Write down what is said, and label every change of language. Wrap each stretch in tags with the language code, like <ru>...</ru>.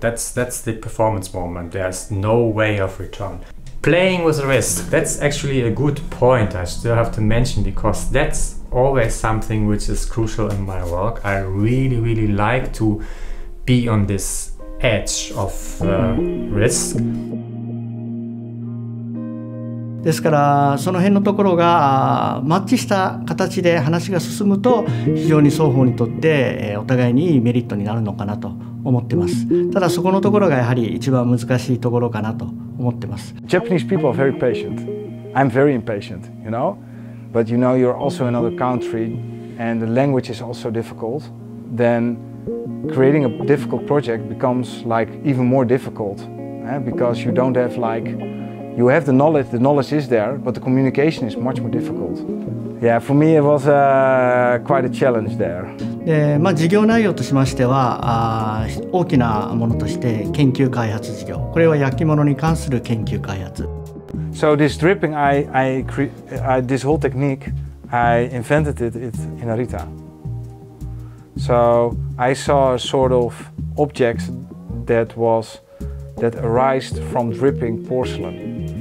<en>That's the performance moment. There's no way of return. Playing with risk, that's actually a good point I still have to mention, because that's always something which is crucial in my work. I really, really like to be on this edge of risk.</en> <ja>ですからその辺のところがマッチした形で話が進むと非常に双方にとってお互いにいいメリットになるのかなと思ってます。ただそこのところがやはり一番難しいところかなと思ってます。</ja> <en>Japanese people are very patient. I'm very impatient, you know. But you know, you're also another country and the language is also difficult. Then creating a difficult project becomes like even more difficult, because you don't have like you have the knowledge is there, but the communication is much more difficult. Yeah, for me it was quite a challenge there.</en> <ja>で、まあ、事業内容としましては、大きなものとして研究開発事業。これは焼き物に関する研究開発。</ja> <en>So this dripping, this whole technique, I invented it in Arita. So I saw a sort of object that arised from dripping porcelain.</en>